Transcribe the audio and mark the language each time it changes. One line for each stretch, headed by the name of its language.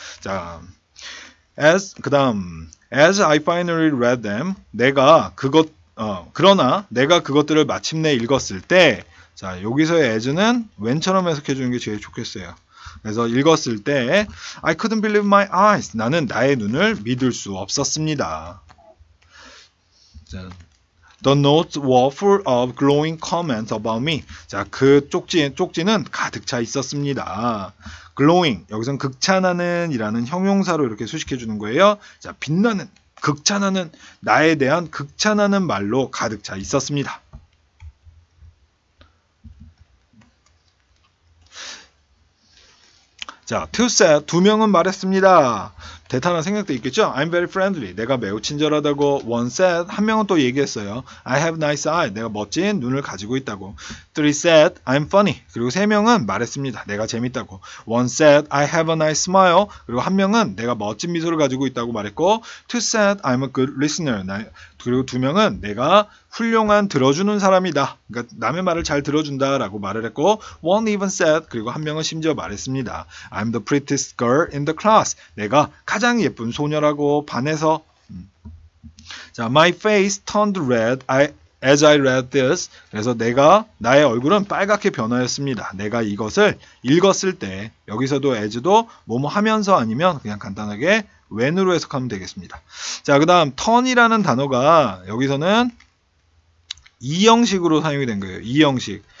Korean: 자, as, 그 다음,
English: as I finally read them,
Korean: 내가 그것, 그러나 내가 그것들을 마침내 읽었을 때, 자, 여기서의 as는 when처럼 해석해 주는 게 제일 좋겠어요. 그래서 읽었을 때,
English: I couldn't believe my eyes.
Korean: 나는 나의 눈을 믿을 수 없었습니다. 자,
English: the notes were full of glowing comments about me.
Korean: 자, 그 쪽지는 가득 차 있었습니다. glowing, 여기서 극찬하는 이라는 형용사로 이렇게 수식해 주는 거예요. 자, 빛나는, 극찬하는, 나에 대한 극찬하는 말로 가득 차 있었습니다. 자, 두 명은 말했습니다. 대타나 생각도 있겠죠?
English: I'm very friendly.
Korean: 내가 매우 친절하다고.
English: One said.
Korean: 한 명은 또 얘기했어요.
English: I have nice eyes.
Korean: 내가 멋진 눈을 가지고 있다고.
English: Three said. I'm funny.
Korean: 그리고 세 명은 말했습니다. 내가 재밌다고.
English: One said. I have a nice smile.
Korean: 그리고 한 명은 내가 멋진 미소를 가지고 있다고 말했고.
English: Two said. I'm a good listener.
Korean: 그리고 두 명은 내가 훌륭한 들어주는 사람이다. 그러니까 남의 말을 잘 들어준다 라고 말을 했고.
English: One even said.
Korean: 그리고 한 명은 심지어 말했습니다.
English: I'm the prettiest girl in the class.
Korean: 내가 가장 예쁜 소녀라고 반해서. 자,
English: my face turned red as I read this.
Korean: 그래서 나의 얼굴은 빨갛게 변하였습니다. 내가 이것을 읽었을 때, 여기서도 as도 뭐뭐 하면서 아니면 그냥 간단하게 when으로 해석하면 되겠습니다. 자, 그 다음 turn이라는 단어가 여기서는 2형식으로 사용이 된 거예요. 2형식.